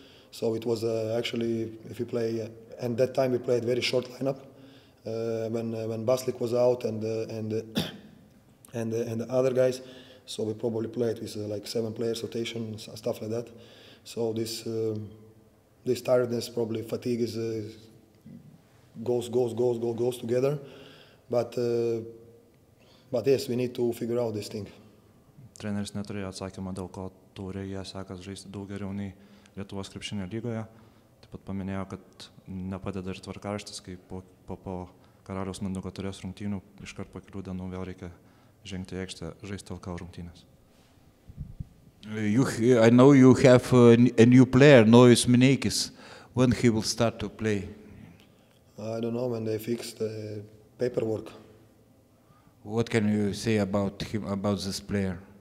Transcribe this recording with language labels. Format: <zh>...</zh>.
<en>So it was actually, if you play, and that time we played very short lineup when Baslik was out and the other guys, so we probably played with like 7 players rotation, stuff like that. So this this tiredness, probably fatigue, is goes together, but yes, we need to figure out this thing.</en> <lt>Treneris neturėjo atsakymą, dėl ko turėjo sekas žaisti daug geriau nei Lietuvos krepšinio lygoje. Taip pat paminėjo, kad nepadeda ir tvarkaraštis, kai po Karaliaus Mindaugo turės rungtynių, iškart po kelių dienų vėl reikia žengti aikštę, žaisti LKL rungtynės.</lt> <en>I know you have a new player, Nojus Mineikis. When he will start to play? I don't know, when they fix the paperwork. What can you say about him, about this player?</en>